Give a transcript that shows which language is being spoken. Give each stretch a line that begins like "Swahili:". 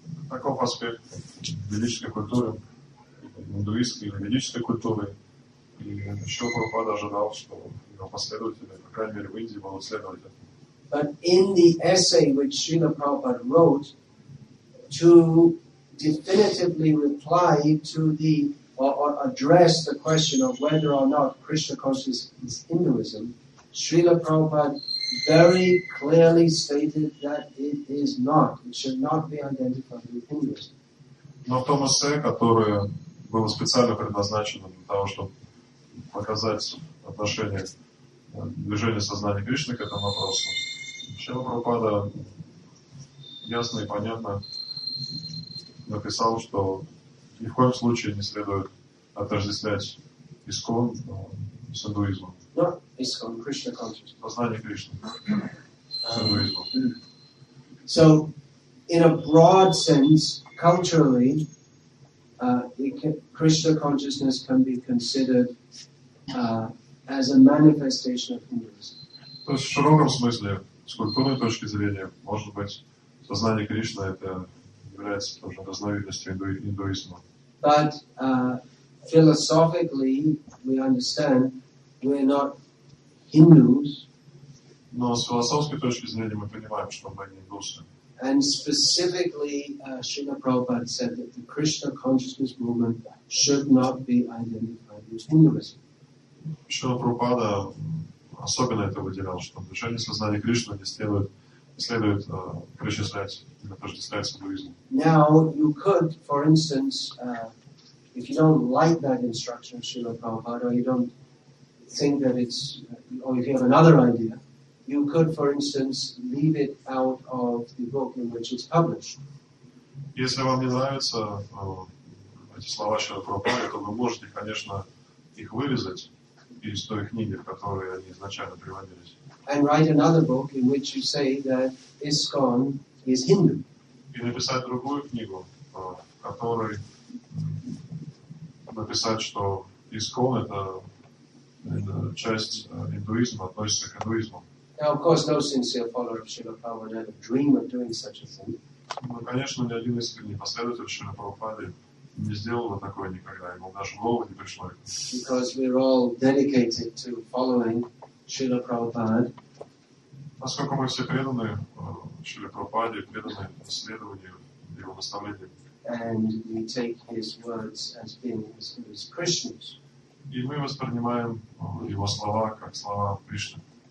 Russian: Таков аспект ведической культуры, индуистской или ведической культуры. И еще Прабхупада ожидал, что его последователи, по крайней мере, в Индии будут следовать этому.
English: But in the essay which Srila Prabhupada wrote to definitively reply to the or address the question of whether or not Krishna consciousness is Hinduism, Srila Prabhupada very clearly stated that it is not. It should not be identified with Hinduism.
Russian: Но в том эссе, которое было специально предназначено для того, чтобы показать отношение движения сознания Кришны к этому вопросу, Шрила Прабхупада ясно и понятно написал, что ни в коем случае не следует отождествлять ИСККОН с индуизмом.
English: ИСККОН, Krishna consciousness.
Russian: Познание Кришны. Индуизм.
English: So, in a broad sense, culturally, Krishna consciousness can be considered as a manifestation of Hinduism.
Russian: То есть в широком смысле, с культурной точки зрения, может быть, сознание Кришны это является тоже разновидностью индуизма.
English: But philosophically, we understand we're not Hindus.
Russian: Но с философской точки зрения мы понимаем, что мы не индусы.
English: And specifically, Srila Prabhupada said that the Krishna consciousness movement should not be identified with Hinduism.
Russian: Шрила Прабхупада особенно это выделял, что движение сознания Кришны не следует причислять или отождествлять с индуизмом.
English: Now, you could, for instance, if you don't like that instruction of Srila Prabhupada, or you don't think that it's, or if you have another idea, you could, for instance, leave it out of the book in which it's published.
Russian: Если вам не нравятся эти слова Шрила Прабхупады, то вы можете, конечно, их вырезать из той книги, в которой они изначально приводились. И написать другую книгу, в которой написать, что ИСКОН — это часть индуизма, относится к индуизму.
English: Now, of course, no sincere follower of Srila Prabhupada had a dream of doing such a thing.
Russian: Ну, конечно, ни один искренний последователь Шрилы Прабхупады не сделал бы такое никогда, ему даже в голову не пришло.
English: Because we're all dedicated to following Srila Prabhupada.
Russian: Поскольку мы все преданы Шриле Прабхупаде, преданы следованию его наставлениям.
English: And we take his words as being as Krishna's.
Russian: И мы воспринимаем его слова как слова Кришны.